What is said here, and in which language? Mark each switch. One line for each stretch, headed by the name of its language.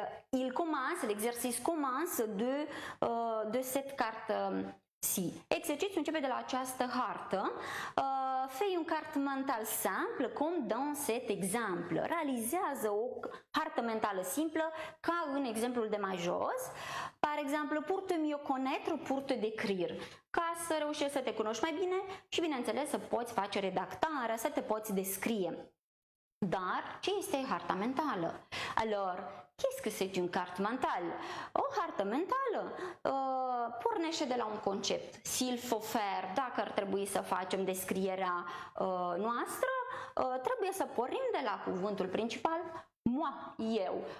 French: il commence, l'exercice commence de cette carte-ci.
Romanian: Exercițiul începe de la această hartă.
French: fait une carte mentale simple comme dans cet exemple. Réalisez une carte mentale simple comme un exemple
Romanian: de mai jos.
French: Par exemple, pour te mieux connaître, pour te décrire.
Romanian: Ca să reușești să te cunoști mai bine și, bineînțeles, să poți face redactarea, să te poți descrie. Dar ce este harta mentală?
French: Alors, qu'est-ce que c'est une carte mentale?
Romanian: O hartă mentală pornește de la un concept.
French: S'il faut faire,
Romanian: dacă ar trebui să facem descrierea noastră, trebuie să pornim de la cuvântul principal, moi, eu.